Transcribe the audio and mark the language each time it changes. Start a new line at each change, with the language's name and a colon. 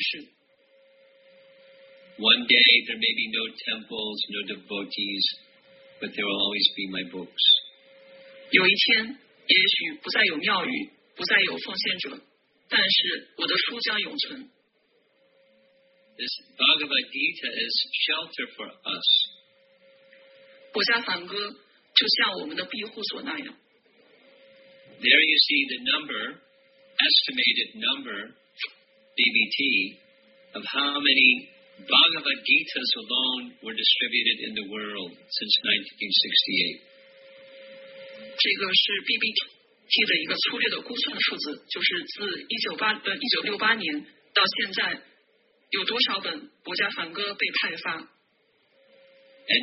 English: One day there may be no temples, no devotees, but there will always be my books.
Chinese: 有一天，也许不再有庙宇，不再有奉献者，但是我的书将永存。
English: This Bhagavad Gita is shelter for us.
Chinese: 国家梵歌就像我们的庇护所那样。
English: There you see the number, estimated number, DBT, of how many Bhagavad Gitas alone were distributed in the world since 1968.
Chinese: 这个是 BBT 的一个粗略的估算数字，就是自1968年到现在，有多少本国家梵歌被派发。
English: And